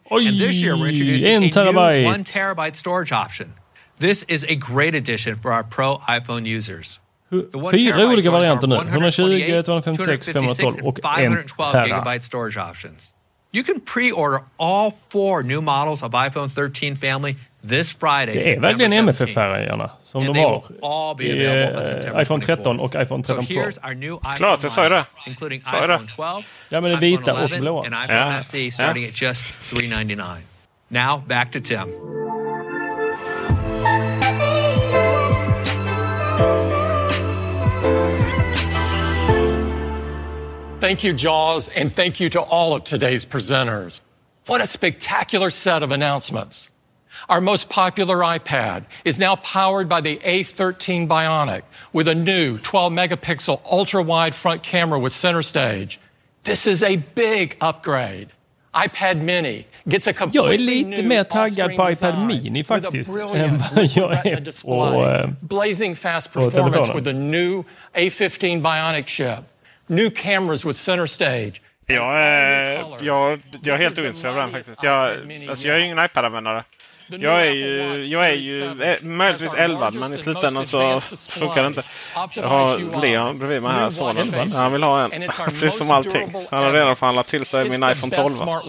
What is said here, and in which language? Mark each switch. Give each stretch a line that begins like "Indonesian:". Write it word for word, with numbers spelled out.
English: Oj, and this year we're introducing a new one terabyte storage option. This is a great addition for our pro iPhone users.
Swedish: Fyra olika varianter nu.
English: one twenty, two fifty-six, five twelve gigabyte storage options. You can pre-order all four new models of iPhone thirteen family this Friday.
Swedish: Det är verkligen M F F-färgerna som de har i iPhone thirteen och iPhone thirteen Pro. Klart, jag sa ju det. Sa det. Ja, men det vita och blåa.
English: Ja. Now, back to Tim. Thank you, Jaws, and thank you to all of today's presenters. What a spectacular set of announcements. Our most popular iPad is now powered by the A thirteen Bionic with a new twelve megapixel ultra-wide front camera with center stage. This is a big upgrade. iPad Mini gets a completely new
Swedish: Jag är lite mer taggad på iPad Mini faktiskt än vad jag är på,
English: blazing fast performance with the new A fifteen Bionic chip. New cameras with center stage.
Swedish: Jag är, jag, jag är helt ointresserad av den faktiskt. Jag, alltså, jag är ju ingen iPad-användare. Jag är ju, jag är ju ä, möjligtvis elvad, men i slutändan så funkar det inte. Jag har Leon bredvid mig här, sonen. Han vill ha en. Det är som allting. Han har redan förhandlat till sig min iPhone twelve.